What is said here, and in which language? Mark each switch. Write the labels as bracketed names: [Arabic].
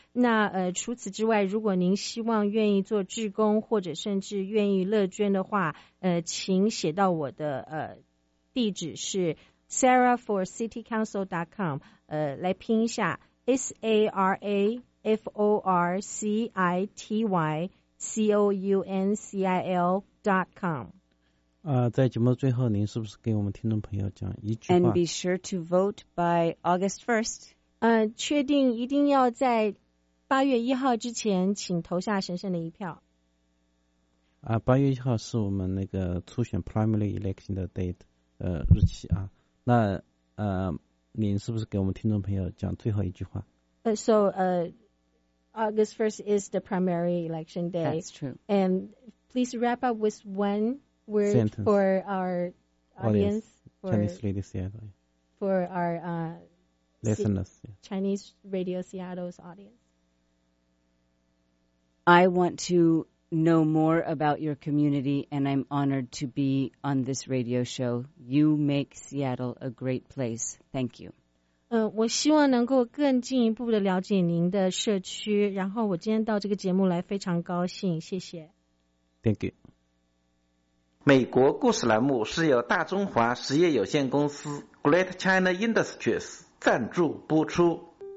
[Chinese] 那除此之外，如果您希望愿意做志工，或者甚至愿意乐捐的话，请写到我的地址是 sarahforcitycouncil.com， 来拼一下 s a r a f o r c i t y c o u n c i l dot com。在节目最后，您是不是给我们听众朋友讲一句话 [English] ？And be sure to vote by August 1st。 [Chinese] 确定一定要在八月一号之前，请投下神圣的一票。八月一号是我们那个初选 primary election 的 date，日期啊。那您是不是给我们听众朋友讲最后一句话？ [English] August 1st is the primary election day. That's true. And please wrap up with one. Word sentence. For our audience, Chinese Radio Seattle. For our listeners, Chinese Radio Seattle's audience. I want to know more about your community, and I'm honored to be on this radio show. You make Seattle a great place. Thank you. [Chinese] 我希望能够更进一步的了解您的社区。然后我今天到这个节目来，非常高兴。谢谢。 [English] Thank you. [Chinese] 美国故事栏目是由大中华实业有限公司 Great China Industries 赞助播出。